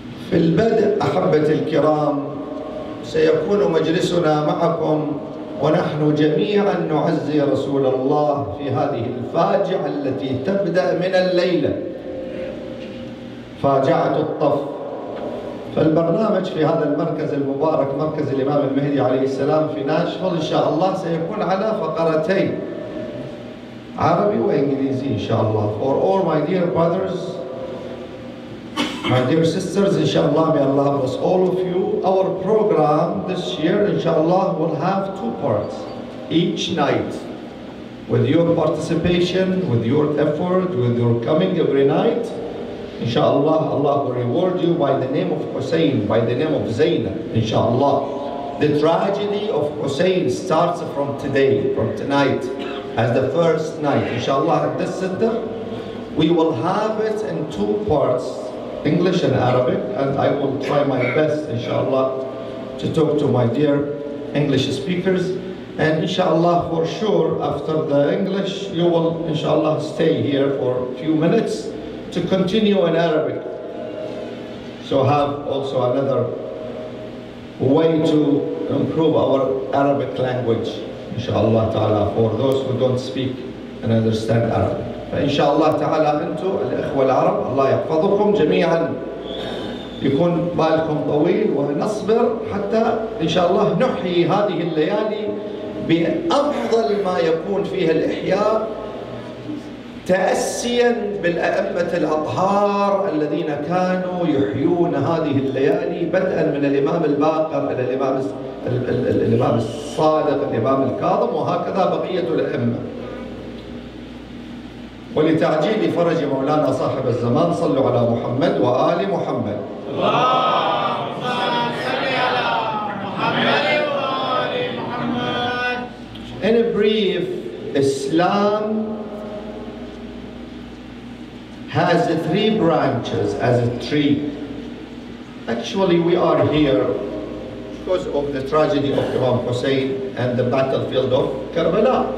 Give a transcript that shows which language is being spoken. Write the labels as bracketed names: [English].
[Arabic] في البدء أحبتي الكرام، سيكون مجلسنا معكم ونحن جميعا نعزي رسول الله في هذه الفاجعة التي تبدأ من الليلة، فاجعة الطف. فالبرنامج في هذا المركز المبارك، مركز الإمام المهدي عليه السلام في ناشفل، إن شاء الله سيكون على فقرتين عربي وإنجليزي إن شاء الله. [English] For all my dear brothers, my dear sisters, [Arabic] إن شاء الله [English] may Allah bless all of you. Our program this year, [Arabic] إن شاء الله, [English] will have two parts each night. With your participation, with your effort, with your coming every night, Inshallah, Allah will reward you by the name of Hussein, by the name of Zainab, Inshallah. The tragedy of Hussein starts from today, from tonight, as the first night. Inshallah, at this siddur, we will have it in two parts, English and Arabic, and I will try my best, Inshallah, to talk to my dear English speakers. And Inshallah, for sure, after the English, you will, Inshallah, stay here for a few minutes to continue in Arabic, so have also another way to improve our Arabic language, inshallah ta'ala, for those who don't speak and understand Arabic. [Arabic] فإنشاءالله تعالى أنتم الإخوة العرب الله يحفظكم جميعا يكون بالكم طويل ونصبر حتى إن شاء الله نحيي هذه الليالي بأفضل ما يكون فيها الإحياء تأسياً بالأئمة الأطهار الذين كانوا يحيون هذه الليالي بدءاً من الإمام الباقر إلى الإمام الصادق الإمام الكاظم وهكذا بقية الأئمة. ولتعجيل فرج مولانا صاحب الزمان صلوا على محمد وآل محمد. اللهم صل على محمد وآل محمد. [English] In brief, Islam has three branches as a tree. Actually, we are here because of the tragedy of Imam Hussein and the battlefield of Karbala.